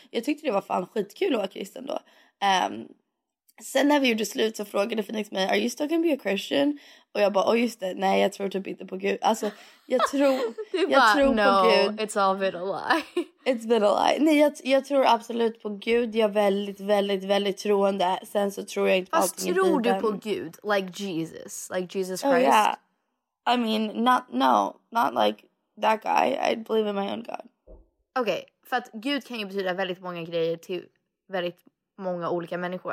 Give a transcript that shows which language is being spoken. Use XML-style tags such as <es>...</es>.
<sv>Jag tyckte det var fan skitkul att vara kristen då. Sen när vi gjorde slut så frågade Phoenix mig,</sv> <en>are you still gonna be a Christian?</en> <sv>Och jag bara, oh just det, nej jag tror typ inte på Gud. Alltså jag tror jag bara, tror</sv> <en>no,</en> <sv>på Gud.</sv> <en>It's all been a lie. It's been a lie.</en> <sv>Nej, jag tror absolut på Gud. Jag är väldigt, väldigt, väldigt troende. Sen så tror jag inte fast på allting. Fast tror du på Gud?</sv> <en>Like Jesus Christ? Oh yeah, I mean, not like that guy. I believe in my own God.</en> <sv>Okay, för att Gud kan ju betyda väldigt många grejer till väldigt många olika människor.</sv>